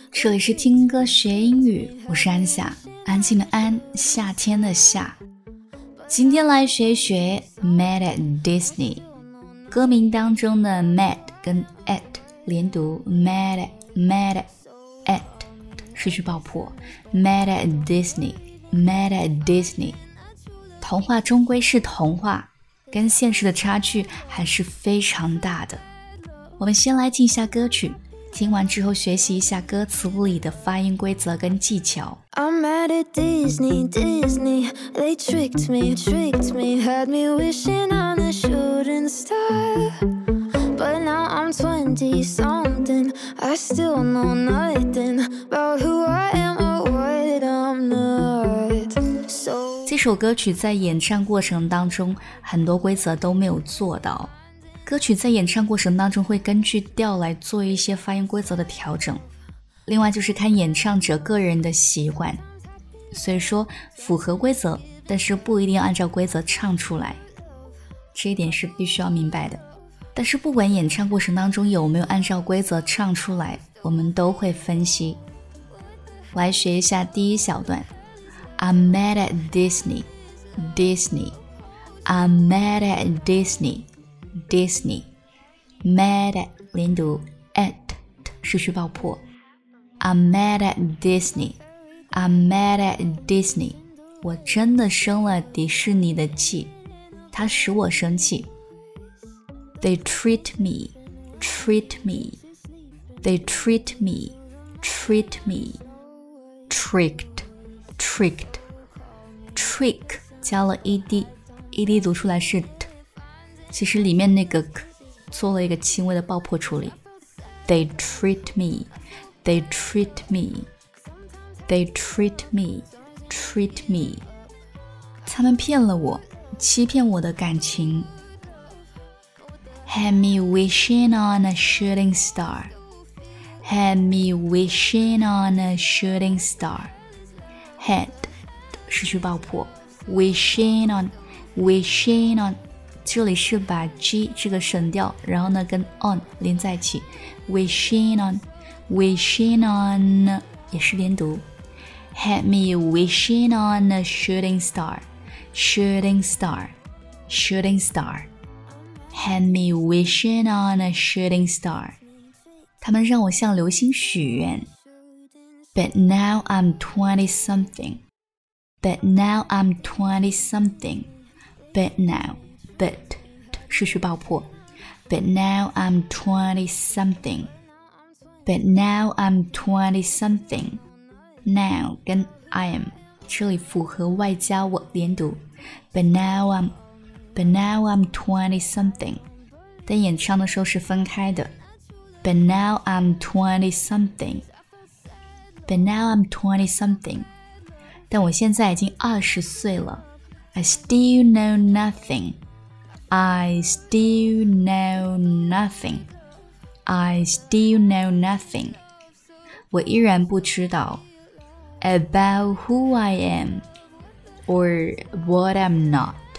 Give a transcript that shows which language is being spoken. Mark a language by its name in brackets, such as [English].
[Chinese] 这里是听歌学英语，我是安夏，安静的安，夏天的夏。今天来学一学 Mad at Disney。 歌名当中的 Mad 跟 at 连读 [English] Mad at, Mad at, at [Chinese] 失去爆破 [English] Mad at Disney, Mad at Disney。 [Chinese] 童话终归是童话，跟现实的差距还是非常大的。我们先来听一下歌曲，听完之后学习一下歌词里的发音规则跟技巧。 [English] I'm mad at Disney, Disney. They tricked me, had me wishing on a shooting star. But now I'm 20 something, I still know nothing about who I am or what I'm not. So [Chinese] 这首歌曲在演唱过程当中很多规则都没有做到，歌曲在演唱过程当中会根据调来做一些发音规则的调整，另外就是看演唱者个人的习惯，所以说符合规则但是不一定按照规则唱出来，这一点是必须要明白的。但是不管演唱过程当中有没有按照规则唱出来，我们都会分析。来学一下第一小段， [English] I'm mad at Disney, Disney, I'm mad at DisneyDisney, mad at [Chinese] 连读 [English] at [Chinese] 失去爆破。 [English] I'm mad at Disney, I'm mad at Disney. [Chinese] 我真的生了迪士尼的气，他使我生气。 [English] They treat me, treat me, they treat me, treat me. Tricked, tricked, trick [Chinese] 加了 [English] ed [Chinese] 读出来是。其实里面那个做了一个轻微的爆破处理。 [English] They treat me, they treat me, they treat me, treat me. [Chinese] 他们骗了我，欺骗我的感情。 [English] Had me wishing on a shooting star, had me wishing on a shooting star. Had [Chinese] 失去爆破 [English] wishing on, wishing on. [Chinese] 这里是把 G 这个省掉，然后呢跟 on 连在一起 [English] wishing on, wishing on [Chinese] 也是连读。 [English] Had me wishing on a shooting star, shooting star, shooting star. Had me wishing on a shooting star. [Chinese] 他们让我向流星许愿。 [English] But now I'm 20 something, but now I'm 20 something, but nowBut 失去爆破 But now I'm 20 something. But now I'm 20 something. Now 跟 I am [Chinese] 这里符合外加我连读 [English] But now I'm But now I'm 20 something. [Chinese] 但演唱的时候是分开的 [English] But now I'm 20 something. But now I'm 20 something. [Chinese] 但我现在已经20岁了 [English] I still know nothingI still know nothing. I still know nothing. [Chinese] 我依然不知道 [English] about who I am or what I'm not.